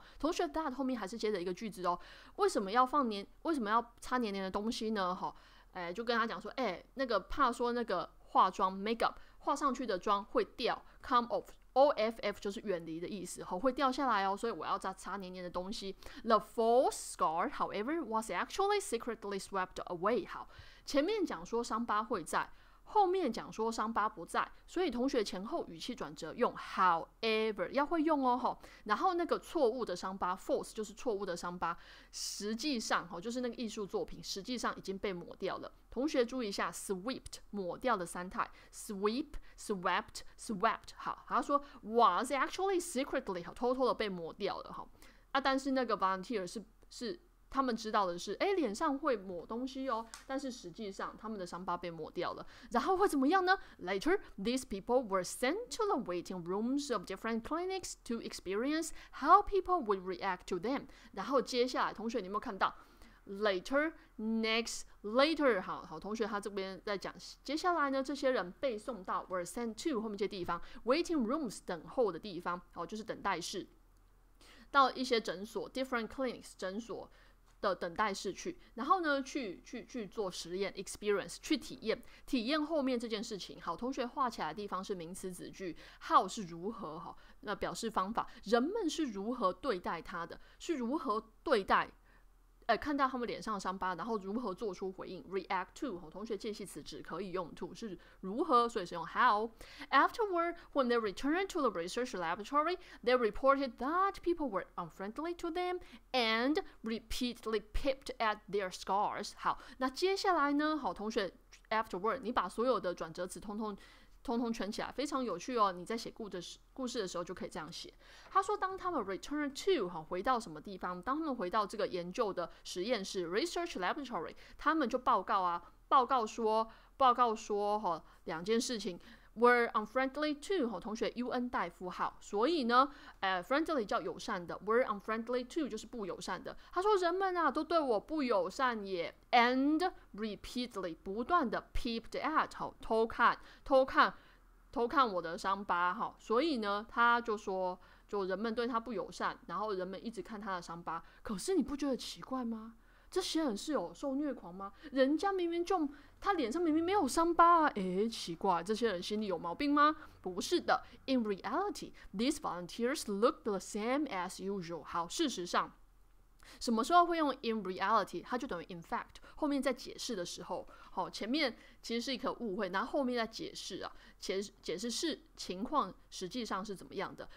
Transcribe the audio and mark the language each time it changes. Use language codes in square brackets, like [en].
[zh] 同学 that 后面还是接着一个句子哦，为什么要擦黏黏的东西呢？就跟他讲说，欸，那个怕说那个化妆 makeup 化上去的妆会掉 [en] come off。 [zh] OFF 就是远离的意思，会掉下来哦，所以我要擦黏黏的东西。 [en] The false scar, however, was actually secretly swept away. [zh] 好，前面讲说伤疤会在，后面讲说伤疤不在，所以同学前后语气转折用 however 要会用哦，然后那个错误的伤疤 false 就是错误的伤疤，实际上就是那个艺术作品实际上已经被抹掉了，同学注意一下 swept 抹掉的三态 [en] sweep swept swept。 [zh] 好，他说 [en] was actually secretly [zh] 偷偷的被抹掉了，啊，但是那个 volunteer 是他们知道的是，欸，脸上会抹东西哦，但是实际上他们的伤疤被抹掉了。然后会怎么样呢？ [en] Later, these people were sent to the waiting rooms of different clinics to experience how people would react to them. [zh] 然后接下来，同学你有没有看到？ Later, next, later, 好，同学他这边在讲，接下来呢，这些人被送到 [en] were sent to [zh] 后面这些地方， [en] waiting rooms [zh] 等候的地方，好，就是等待室，到一些诊所 [en] different clinics [zh] 诊所的等待室去，然后呢去做实验 experience 去体验后面这件事情。好，同学画起来的地方是名词子句， how 是如何，那表示方法，人们是如何对待他的，是如何对待，看到他们脸上的伤疤，然后如何做出回应 [en] react to。 [zh] 同学介系词只可以用 to， 是如何，所以是用 how。 [en] Afterward, when they returned to the research laboratory, they reported that people were unfriendly to them and repeatedly pipped at their scars。 [zh] 好，那接下来呢，好，同学 afterward 你把所有的转折词通通圈起来，非常有趣哦，你在写故事的时候就可以这样写。他说当他们 [en] return to [zh] 回到什么地方，当他们回到这个研究的实验室 [en] research laboratory， [zh] 他们就报告说两件事情 [en] were unfriendly to， [zh] 同学 UN 带符号，所以呢，friendly 叫友善的， were unfriendly to 就是不友善的。他说人们啊都对我不友善也， [en] and repeatedly [zh] 不断的 [en] peeped at， [zh] 偷看我的伤疤，好，所以呢他就说就人们对他不友善，然后人们一直看他的伤疤。可是你不觉得奇怪吗？这些人是有受虐狂吗？人家明明就他脸上明明没有伤疤，奇怪，这些人心里有毛病吗？不是的， [en] In reality, these volunteers looked the same as usual. [zh] 好，事实上什么时候会用 [en] in reality， [zh] 它就等于 [en] in fact， [zh] 后面在解释的时候，前面其实是一个误会，然后后面在解释啊，解释是情况实际上是怎么样的。